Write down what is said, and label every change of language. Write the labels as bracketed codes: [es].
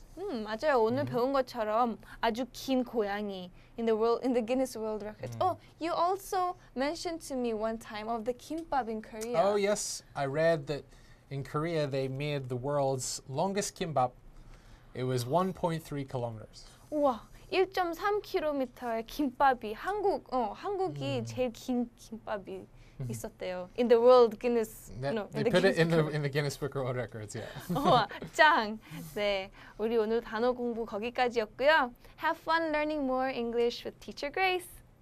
[ko] 맞아요. 오늘 배운 것처럼 아주 긴 고양이 [en] in the Guinness World Records. Oh, you also mentioned to me one time of the kimbap in Korea. Oh, yes. I read that in Korea they made the world's longest kimbap. It was 1.3 kilometers. [ko] 우와. 1.3km의 김밥이 한국이 제일 긴 김밥이 있었대요. [en] In the world Guinness. They put it in the Guinness Book of World Records, yeah. [ko] 우와, 짱. 네. 우리 오늘 단어 공부 거기까지였고요. [en] Have fun learning more English with Teacher Grace.